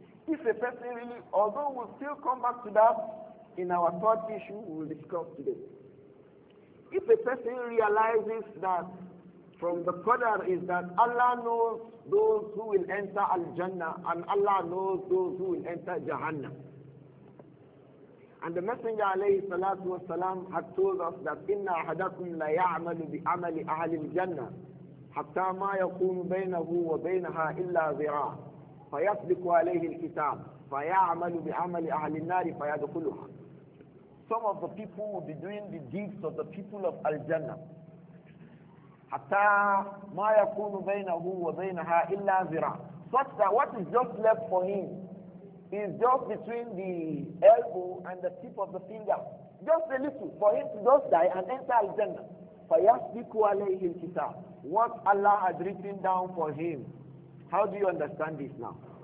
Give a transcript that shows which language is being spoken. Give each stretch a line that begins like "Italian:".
English: If a person really, although we'll still come back to that in our third issue we will discuss today. If a person realizes that from the Qadr is that Allah knows those who will enter Al-Jannah and Allah knows those who will enter Jahannam. And the Messenger alayhi salatu wa salam had told us that
Arabic: إِنَّ أَحَدَكُمْ لَيَعْمَلُ بِعَمَلِ أَهْلِ الْجَنَّةِ حَتَّى مَا يَكُونُ بَيْنَهُ وَبَيْنَهَا إِلَّا ذِرَاعٌ فيطبق عليه الكتاب فيعمل بعمل أهل النار فيدخلها.
English: Some of the people will be doing the deeds of the people of Al-Jannah.
Arabic: حتى ما يكون بينه وبينها إلا ذراع.
English: Such that what is just left for him is just between the elbow and the tip of the finger. Just a little for him to just die and enter Al-Jannah.
Arabic: فَيَسْبِكُ عَلَيْهِ الْكِتَابِ.
English: What Allah had written down for him. How do you understand this now?